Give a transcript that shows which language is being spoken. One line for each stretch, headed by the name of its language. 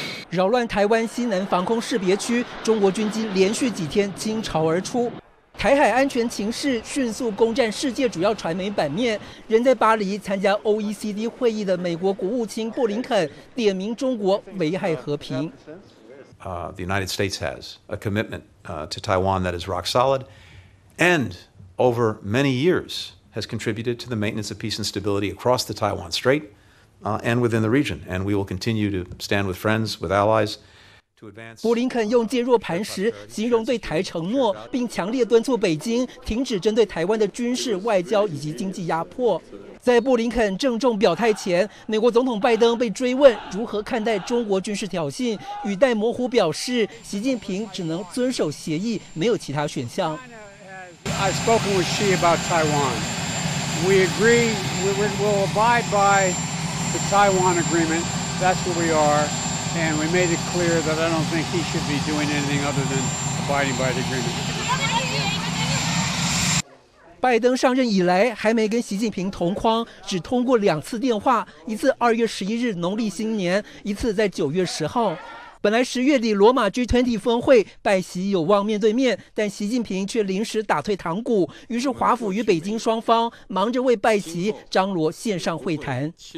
Chinese: 扰乱台湾西南防空识别区，中国军机连续几天倾巢而出，台海安全情势迅速攻占世界主要传媒版面。人在巴黎参加 OECD 会议的美国国务卿布林肯点名中国危害和平。
English: The United States has a commitment to Taiwan that is rock solid, and over many years has contributed to the maintenance of peace and stability across the Taiwan Strait and within the region. And we will continue to stand with friends, with allies.
Chinese: 布林肯用坚若磐石形容对台承诺，并强烈敦促北京停止针对台湾的军事、外交以及经济压迫。在布林肯郑重表态前，美国总统拜登被追问如何看待中国军事挑衅，语带模糊表示习近平只能遵守协议，没有其他选项。
English: I've spoken with Xi about Taiwan. We agree we will abide by the Taiwan agreement. That's where we are. And we made it clear that I don't think he should be doing anything other than abiding by the agreement.
Chinese: 拜登上任以来还没跟习近平同框，只通过两次电话，一次2月11日农历新年，一次在9月10号。本来10月底罗马 G20 峰会拜习有望面对面，但习近平却临时打退堂鼓，于是华府与北京双方忙着为拜习张罗线上会谈。